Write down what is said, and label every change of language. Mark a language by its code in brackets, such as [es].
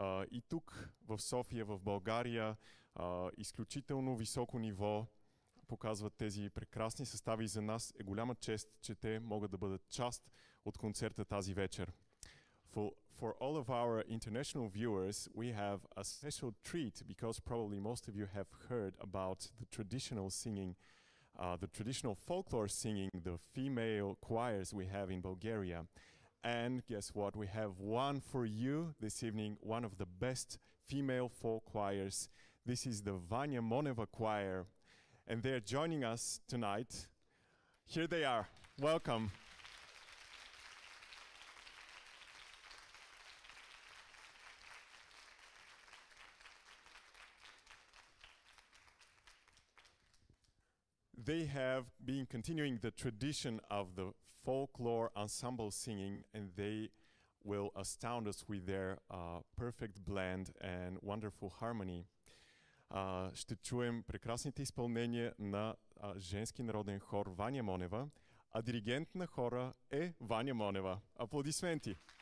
[bg] И тук, в София, в България, изключително високо ниво показват тези прекрасни състави. За нас е голяма чест, че те могат да бъдат част от концерта тази вечер. [en] For all of our international viewers, we have a special treat, because probably most of you have heard about the traditional singing, the traditional folklore singing, the female choirs we have in Bulgaria. And guess what? We have one for you this evening, one of the best female folk choirs. This is the Vanya Moneva Choir, and they're joining us tonight. Here they are. Welcome. They have been continuing the tradition of the folklore ensemble singing, and they will astound us with their perfect blend and wonderful harmony. [bg] Ще чуем прекрасните изпълнения на женски народен хор Ваня Монева, а диригент на хора е Ваня Монева. Аплодисменти!